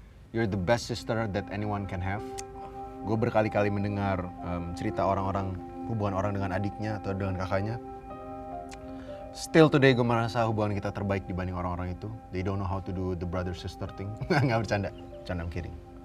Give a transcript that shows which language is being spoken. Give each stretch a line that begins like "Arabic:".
English: You're the best sister that anyone can have.
Indonesian: Gue berkali-kali mendengar cerita orang-orang, hubungan orang dengan adiknya atau dengan kakaknya.
English: Still today
Indonesian: gue merasa hubungan kita terbaik dibanding orang-orang itu.
English: They don't know how to do the brother-sister thing.
Indonesian: Nggak bercanda, bercanda,
English: I'm kidding.